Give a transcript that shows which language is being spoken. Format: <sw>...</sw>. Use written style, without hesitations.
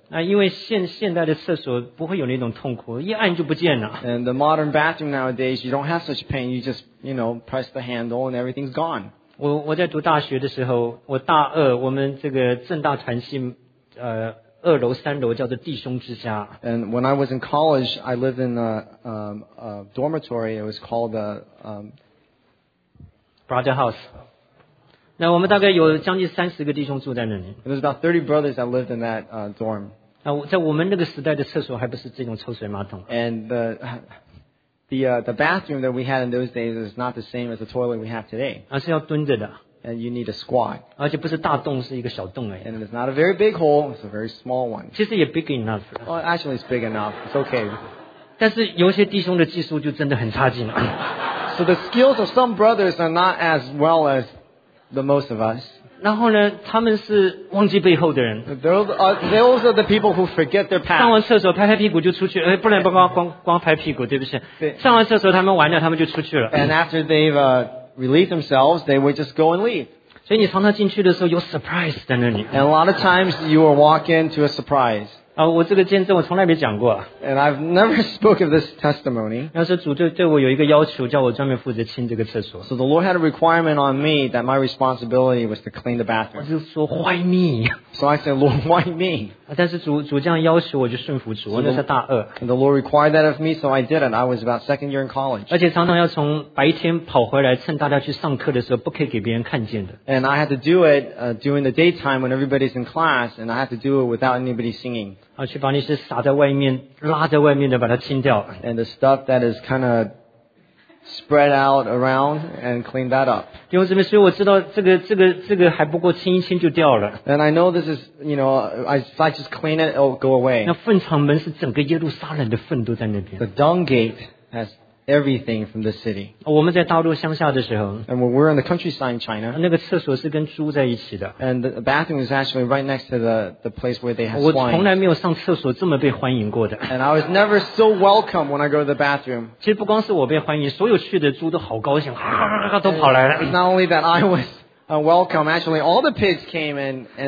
<zh>啊，因为现代的厕所不会有那种痛苦，一按就不见了。</zh> <en>And the modern bathroom nowadays, you don't have such pain. You just, you know, press the handle and everything's gone.</en> <zh>我在读大学的时候，我大二，我们这个政大传系，二楼三楼叫做弟兄之家。</zh> <en>And when I was in college, I lived in a dormitory. It was called the brother house.</en> <zh>那我们大概有将近三十个弟兄住在那里。</zh> <en>There's about 30 brothers that lived in that dorm.</en> <zh>那在我们那个时代的厕所还不是这种抽水马桶。</zh> <en>And the bathroom that we had in those days is not the same as the toilet we have today.</en> <zh>而是要蹲着的。</zh> <en>And you need a squat.</en> <zh>而且不是大洞，是一个小洞而已。</zh> <en>And it's not a very big hole, it's a very small one.</en> <zh>其实也</zh> <en>big enough. Well, actually it's big enough, it's okay.</en> <zh>但是有些弟兄的技术就真的很差劲了。</zh> <en>So the skills of some brothers are not as well as the most of us.</en> <zh>然后呢，他们是忘记背后的人。</zh> <en>Those are the people who forget their past.</en> <zh>上完厕所拍拍屁股就出去，不然不光光光拍屁股，对不起。上完厕所他们完了，他们就出去了。</zh> <en>And after they've relieved themselves, they would just go and leave.</en> <zh>所以你常常进去的时候有 surprise 在那里。</zh> <en>And a lot of times you will walk into a surprise.</en> <zh>我这个见证我从来没讲过。</zh> <en>And I've never spoke of this testimony.</en> <zh>要是主就对我有一个要求，叫我专门负责清这个厕所。</zh> <en>So the Lord had a requirement on me that my responsibility was to clean the bathroom.</en> <zh>我就说</zh> <en>Why me? So I said, Lord, why me?</en> <zh>但是主这样要求，我就顺服主。我那是大二。</zh> <en>And the Lord required that of me, so I did it. I was about second year in college.</en> <zh>而且常常要从白天跑回来，趁大家去上课的时候，不可以给别人看见的。</zh> <en>And I had to do it during the daytime when everybody's in class, and I had to do it without anybody singing.</en> <zh>去把那些撒在外面拉在外面的把它清掉。</zh> <en>And the stuff that is kind of spread out around and clean that up.</en> <zh>弟兄姊妹，所以我知道这个还不够清一清就掉了。</zh> <en>And I know this is, you know, if I just clean it, it'll go away.</en> <zh>那粪场门是整个耶路撒冷的粪都在那边。</zh> <en>The dung gate has everything from the city.</en> <zh>我们在大陆乡下的时候。</zh> <en>And when we're in the countryside in China.</en> <zh>那个厕所是跟猪在一起的。</zh> <en>And the bathroom is actually right next to the place where they have swine.</en> <zh>我从来没有上厕所这么被欢迎过的。</zh> <en>And I was never so welcome when I go to the bathroom.</en> <zh>其实不光是我被欢迎，所有去的猪都好高兴，哈哈哈哈都跑来了。</zh> <en>Not only that I was welcome, actually all the pigs came and</en>